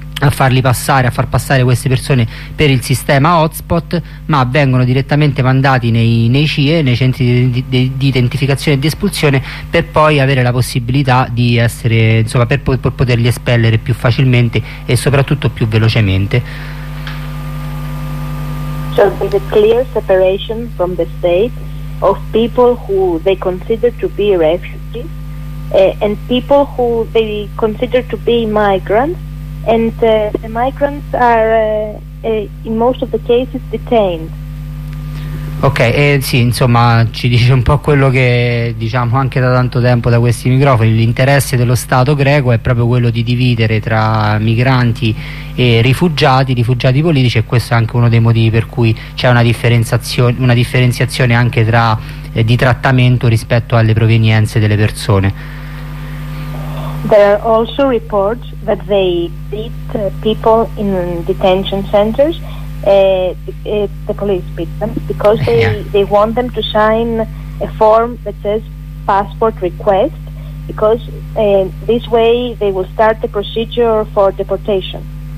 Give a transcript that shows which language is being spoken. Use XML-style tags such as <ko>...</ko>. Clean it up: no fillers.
<it>far passare queste persone per il sistema hotspot, ma vengono direttamente mandati nei CIE, nei centri di identificazione e di espulsione, per poi avere la possibilità di essere, insomma, per poterli espellere più facilmente e soprattutto più velocemente.</it> <en>So there's a clear separation from the state of people who they consider to be refugees and people who they consider to be migrants. And the migrants are, in most of the cases, detained.</en> <it>Ok, sì, insomma, ci dice un po' quello che diciamo anche da tanto tempo da questi microfoni. L'interesse dello Stato greco è proprio quello di dividere tra migranti e rifugiati, rifugiati politici, e questo è anche uno dei motivi per cui c'è una differenziazione anche tra di trattamento rispetto alle provenienze delle persone.</it> <en>There are also reports that they beat people in detention centers. The police beat them because they want them to sign a form that says passport request, because this way they will start the procedure for deportation.</en>